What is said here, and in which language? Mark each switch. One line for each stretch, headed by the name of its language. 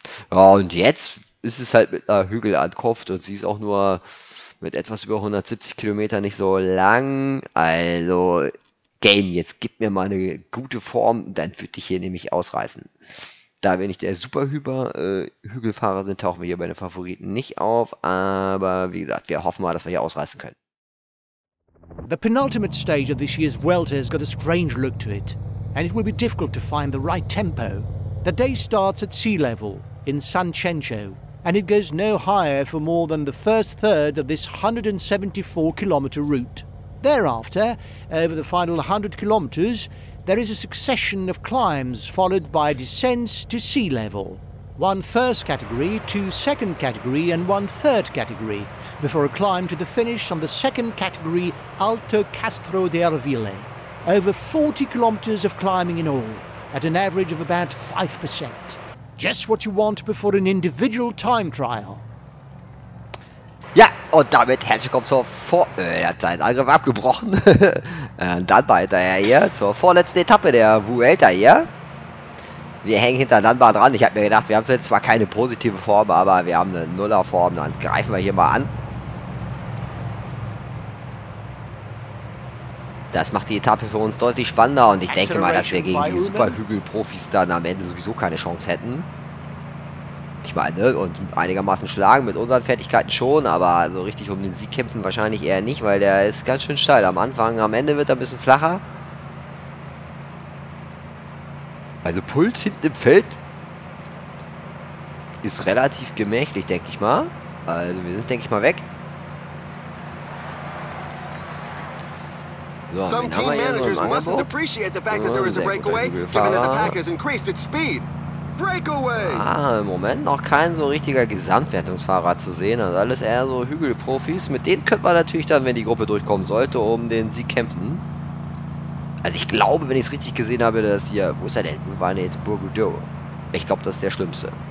German: Ja, und jetzt ist es halt mit einer Hügelankunft und sie ist auch nur mit etwas über 170 Kilometer nicht so lang. Also, Game, jetzt gib mir mal eine gute Form, dann würde ich hier nämlich ausreißen. Da wir nicht der Superhüber-Hügelfahrer sind, tauchen wir hier bei den Favoriten nicht auf. Aber wie gesagt, wir hoffen mal, dass wir hier ausreißen können.
English: The penultimate stage of this year's Vuelta has got a strange look to it, and it will be difficult to find the right tempo. The day starts at sea level, in San Chencho, and it goes no higher for more than the first third of this 174-kilometer route. Thereafter, over the final 100 kilometers, there is a succession of climbs followed by descents to sea level. One first category, two second category and one third category, before a climb to the finish on the second category, Alto Castro de Arvile. Over 40 kilometers of climbing in all, at an average of about 5%. Just what you want before an individual time trial.
German: Ja, und damit herzlich willkommen zur seinen Angriff abgebrochen. Und dann weiter hier zur vorletzten Etappe der Vuelta hier. Wir hängen hintereinander dran. Ich habe mir gedacht, wir haben jetzt zwar keine positive Form, aber wir haben eine Nullerform. Dann greifen wir hier mal an. Das macht die Etappe für uns deutlich spannender und ich denke mal, dass wir gegen die Superhügel-Profis dann am Ende sowieso keine Chance hätten. Ich meine, und einigermaßen schlagen mit unseren Fertigkeiten schon, aber so richtig um den Sieg kämpfen wahrscheinlich eher nicht, weil der ist ganz schön steil am Anfang. Am Ende wird er ein bisschen flacher. Also Puls hinten im Feld ist relativ gemächlich, denke ich mal. Also wir sind, denke ich mal, weg.
English: So, some team managers mustn't appreciate the fact that there is a breakaway, given that the pack has increased its speed. Breakaway!
German: Ah, im Moment noch kein so richtiger Gesamtwertungsfahrer zu sehen. Also alles eher so Hügelprofis. Mit denen könnte man natürlich dann, wenn die Gruppe durchkommen sollte, um den Sieg kämpfen. Also ich glaube, wenn ich es richtig gesehen habe, dass hier... Wo ist er denn? Wir waren jetzt Bourgoudou. Ich glaube, das ist der Schlimmste.